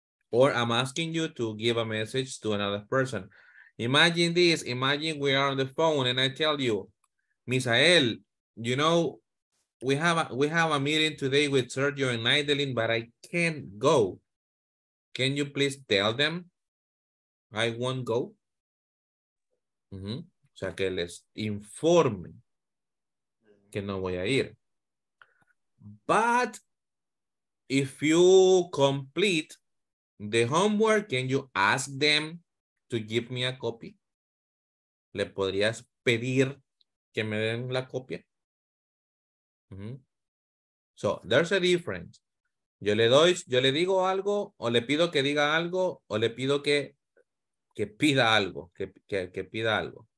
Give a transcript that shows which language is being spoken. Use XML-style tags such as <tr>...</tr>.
<en>Or I'm asking you to give a message to another person. Imagine this. Imagine we are on the phone and I tell you, Misael, you know, we have a meeting today with Sergio and Nidalin, but I can't go. Can you please tell them I won't go? Mm-hmm.</en> <es>O sea, que les informe que no voy a ir.</es> <en>But if you complete the homework, can you ask them to give me a copy?</en> <es>¿Le podrías pedir que me den la copia? Mm-hmm.</es> <en>So there's a difference.</en> <es>Yo le digo algo, o le pido que diga algo, o le pido que pida algo, que pida algo.</es>